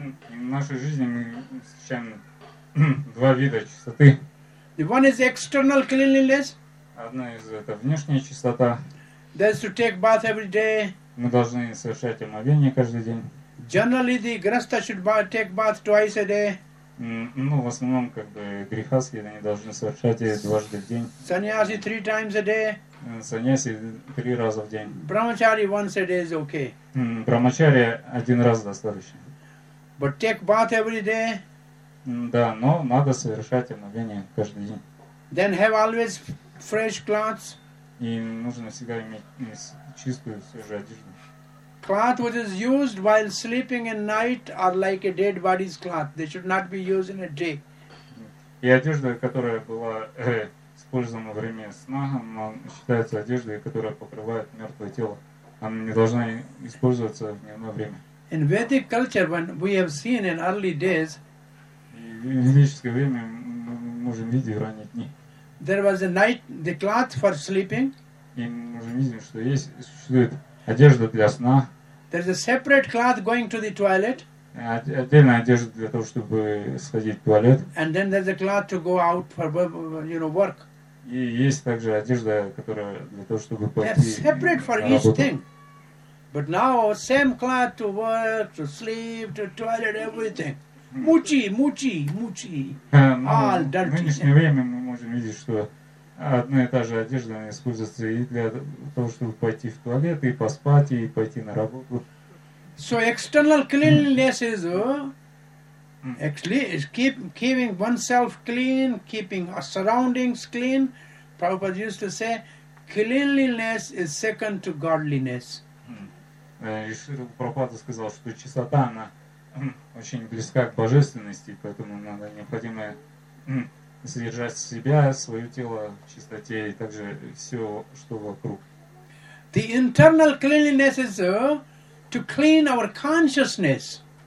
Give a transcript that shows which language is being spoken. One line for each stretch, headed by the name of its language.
Russian: In нашей жизни мы встречаем два вида чистоты.
English: The one is external cleanliness.
Russian: Одна из это внешняя чистота.
English: That is to take bath every day.
Russian: Мы должны совершать омовение каждый день.
English: Generally the grihastha should take bath twice a day.
Russian: Ну, в основном, как бы, грехаски, они должны совершать дважды в день.
English: Саньяси three times a day.
Russian: Саньяси три раза в день.
English: Брамачари once a day is okay.
Russian: Брамачари один раз достаточно.
English: But take bath every day.
Russian: Да, но надо совершать омовение каждый день.
English: Then have always fresh clothes.
Russian: И нужно всегда иметь чистую, свежую одежду.
English: Cloth which is used while sleeping in night are like a dead body's cloth. They should not be used in a day.
Russian: И одежда, которая была использована во время сна, она считается одеждой, которая покрывает мертвое тело. Она не должна использоваться в дневное время.
English: In Vedic culture, when we have seen in early days,
Russian: в ведическое время мы можем видеть ранние дни.
English: There was a night, the cloth for sleeping.
Russian: И мы можем видеть, что есть, существует одежда для сна.
English: There is a separate cloth going to the toilet.
Russian: Отдельная одежда для того, чтобы сходить в туалет.
English: And then there's a cloth to go out for, you know, work.
Russian: И есть также одежда, которая для того, чтобы пойти на работу.
English: They're separate for each thing. But now same cloth to work, to sleep, to toilet, everything. Мучи. All dirty.
Russian: В нынешнее время мы можем видеть, что одна и та же одежда используется и для того, чтобы пойти в туалет, и поспать, и пойти на работу.
English: So external cleanliness is actually is keeping oneself clean, keeping our surroundings clean. Prabhupada used to say, cleanliness is second to godliness.
Russian: И Шрила Прабхупада сказал, что чистота, она очень близка к божественности, поэтому надо необходимо содержать себя, свое тело в чистоте и также все, что вокруг.
English: The internal cleanliness is to clean our consciousness.